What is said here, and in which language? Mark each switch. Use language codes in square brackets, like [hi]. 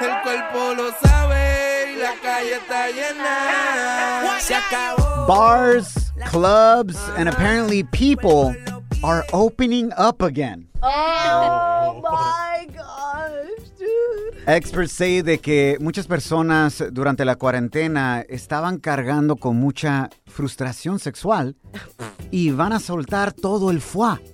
[es] El cuerpo lo sabe y la calle está llena. Se acabó. [en] Bars, clubs, and apparently people are opening up again. Oh my gosh, dude. Experts say [es] de que muchas personas durante la cuarentena estaban cargando con mucha frustración sexual y van a soltar todo el fuá